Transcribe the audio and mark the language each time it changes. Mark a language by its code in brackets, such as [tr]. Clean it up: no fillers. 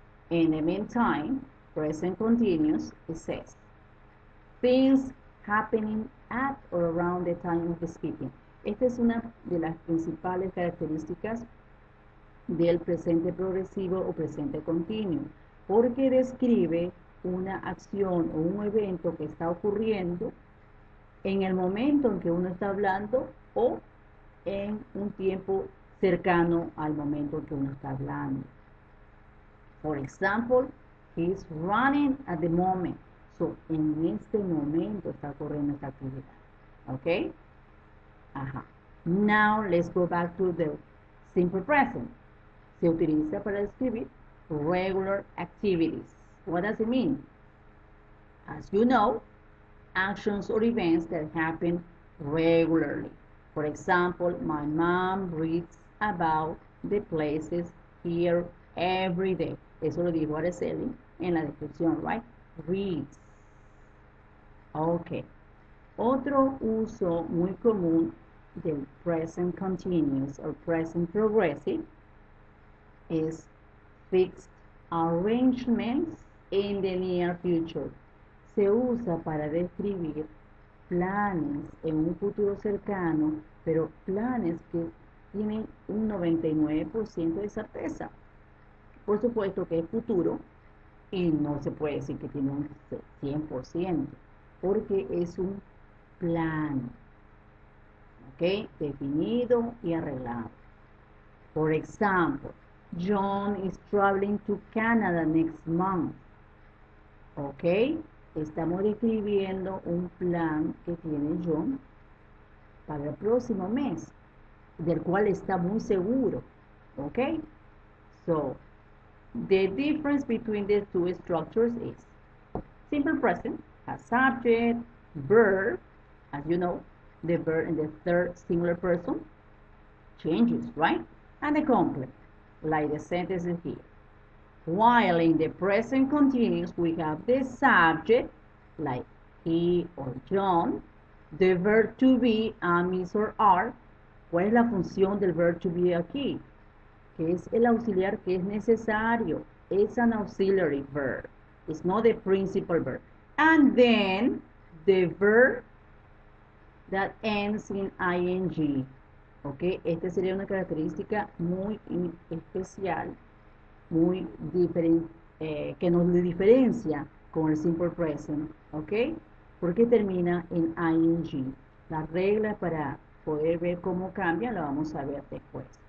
[en] In the meantime, present continuous, it says, things happening at or around the time of speaking. [es] Esta es una de las principales características del presente progresivo o presente continuo, porque describe una acción o un evento que está ocurriendo en el momento en que uno está hablando o en un tiempo cercano al momento en que uno está hablando. [en] For example, he's running at the moment. [es] So, en este momento está corriendo esta actividad. Okay? Ajá. [en] Now, let's go back to the simple present. [es] Se utiliza para describir [en] regular activities. What does it mean? As you know, actions or events that happen regularly. For example, my mom reads about the places here every day. [es] Eso lo dijo Araceli en la descripción, right? Reads. Ok. Otro uso muy común del present continuous o present progressive es [en] fixed arrangements in the near future. [es] Se usa para describir planes en un futuro cercano, pero planes que tienen un 99% de certeza. Por supuesto que es futuro y no se puede decir que tiene un 100%, porque es un plan, ¿ok? Definido y arreglado. [en] For example, John is traveling to Canada next month, ¿ok? [es] Estamos describiendo un plan que tiene John para el próximo mes, del cual está muy seguro, ¿ok? [en] So, the difference between the two structures is simple present has subject, verb, as you know, the verb in the third singular person changes, right? And the complement, like the sentence here. While in the present continuous, we have the subject, like he or John, the verb to be, amis or are. [es] ¿Cuál es la función del verb to be aquí? Que es el auxiliar que es necesario. [en] It's an auxiliary verb. It's not the principal verb. And then, the verb that ends in ing. ¿Ok? [es] Esta sería una característica muy especial, muy diferente, que nos diferencia con el simple present. ¿Ok? Porque termina en ing. La regla para poder ver cómo cambia la vamos a ver después.